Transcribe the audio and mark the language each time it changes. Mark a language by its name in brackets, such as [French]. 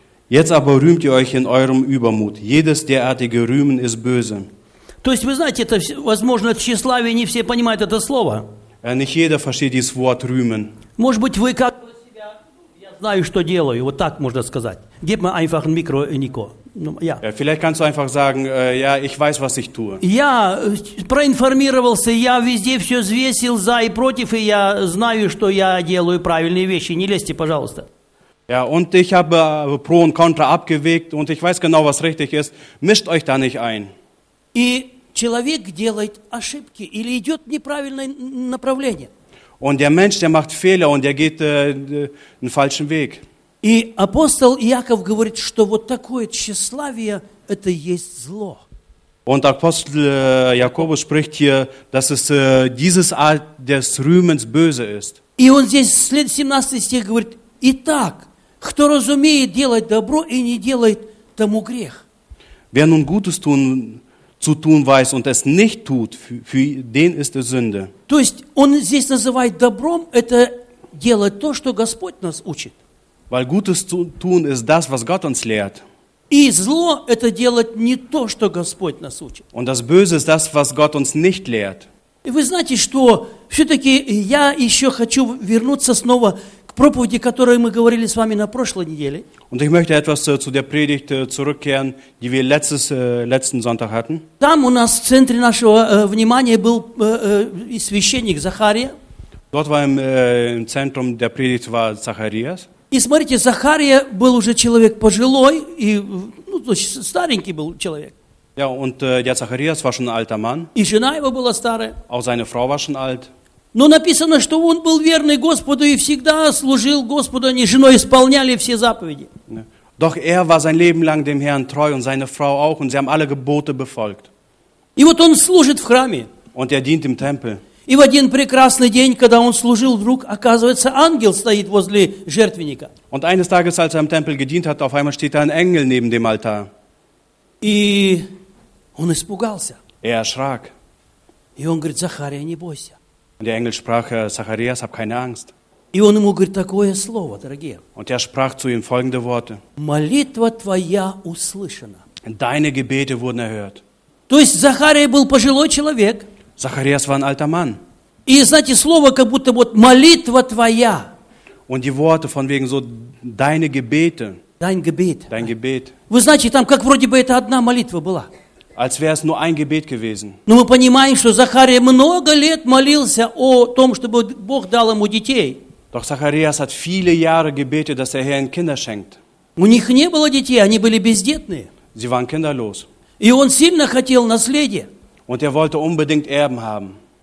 [German] Jetzt aber rühmt ihr euch in eurem Übermut. Jedes derartige Rühmen ist böse. [Russian] То есть, вы знаете, это, возможно, тщеславие, не все понимают это слово. [German] Nicht jeder versteht dieses Wort rühmen. [Russian] Может быть, вы как себя, я знаю, что делаю, вот так можно сказать. [German] Gib mir einfach ein Mikro, Nico. Ja. Ja, vielleicht kannst du einfach sagen, ja, ich weiß, was ich tue. [Russian] Я проинформировался, я везде все взвесил за и против, и я знаю, что я делаю правильные вещи. Не лезьте, пожалуйста. [German] Ja, und ich habe Pro und Contra abgewägt, und ich weiß genau, was richtig ist. Mischt euch da nicht ein. [Russian] И человек делает ошибки или идет неправильное направление. [German] Und der Mensch, der macht Fehler und der geht einen falschen Weg. [Russian] И апостол Иаков говорит, что вот такое тщеславие – это есть зло. [German] Und Apostel Jakobus spricht hier, dass es dieses Art des Rühmens böse ist. [Russian] И он здесь 17 стих говорит: «Итак, кто разумеет делать добро и не делает тому грех». [German] Wer nun Gutes tun zu tun weiß und es nicht tut, für den ist es Sünde. [Russian] То есть он здесь называет добром это делать то, что Господь нас учит. [German] Weil Gutes zu tun ist das, was Gott uns lehrt. [Russian] И зло – это делать не то, что Господь нас учит. [German] Und das Böse ist das, was Gott uns nicht lehrt. [Russian] И вы знаете, что все-таки я еще хочу вернуться снова к проповеди, о которой мы говорили с вами на прошлой неделе. [German] Und ich möchte etwas zu der Predigt zurückkehren, die wir letzten Sonntag hatten. [Russian] Там у нас в центре нашего внимания был священник Захария. [German] Dort war im Zentrum der Predigt war Zacharias. [Russian] И смотрите, Захария был уже человек пожилой, и, ну, то есть старенький был человек. [German] Ja, und der Zacharias war schon ein alter Mann. [Russian] И жена его была старая. [German] Auch seine Frau war schon alt. [Russian] Но написано, что он был верный Господу и всегда служил Господу, они женой исполняли все заповеди. [German] Ja. Doch er war sein Leben lang dem Herrn treu und seine Frau auch, und sie haben alle Gebote befolgt. [Russian] И вот он служит в храме. [German] Und er dient im Tempel. [Russian] И в один прекрасный день, когда он служил, вдруг оказывается, ангел стоит возле жертвенника. [German] Und eines Tages, als im Tempel gedient hat, auf einmal steht ein Engel neben dem Altar. [Russian] И он испугался. [German] Er erschrak. [Russian] И он говорит: Захария, не бойся. [German] Und der Engel sprach: Zacharias, hab keine Angst. [Russian] И он ему говорит такое слово, дорогие. [German] Und er sprach zu ihm folgende Worte. [Russian] Молитва твоя услышана. [German] Deine Gebete wurden erhört. [Russian] То есть Захария был пожилой человек. [German] Zacharias war ein alter Mann. [Russian] И знаете, слово как будто вот молитва твоя. [German] Und die Worte von wegen so deine Gebete. Dein Gebet. Dein Gebet. [Russian] Вы знаете, там как вроде бы это одна молитва была. [German] Als wäre es nur ein Gebet gewesen. [Russian] Но мы понимаем, что Захария много лет молился о том, чтобы Бог дал ему детей. [German] Doch Zacharias hat viele Jahre gebetet, dass der Herr ihm Kinder schenkt. [Russian] У них не было детей, они были бездетные. [German] Sie waren kinderlos. [Russian] И он сильно хотел наследие. [German] Und er wollte unbedingt Erben haben.